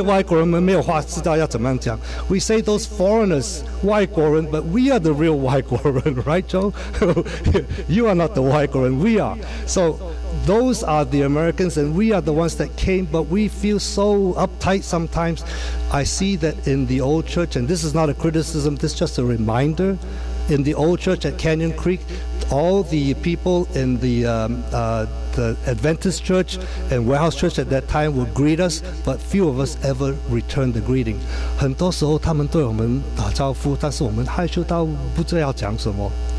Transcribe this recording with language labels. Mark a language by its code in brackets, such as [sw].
[zh] 有弟兄们已经跟我说过，我们中国人这么保守，有时候看见外国人，本来我们都不应该叫他们是外国人，我们才是外国人。但是我说看见那些外国人们没有话知道要怎么样讲。 [en] We say those foreigners, [zh] 外国人, [en] but we are the real [zh] 外国人, [en] right, Joe? You are not the [zh] 外国人, [en] we are. So those are the Americans, and we are the ones that came, but we feel so uptight sometimes. I see that in the old church, and this is not a criticism, this is just a reminder. In the old church at Canyon Creek, all the people in the Adventist church and warehouse church at that time would greet us, but few of us ever returned the greeting. [zh] 很多时候他们对我们打招呼，但是我们害羞到不知道要讲什么。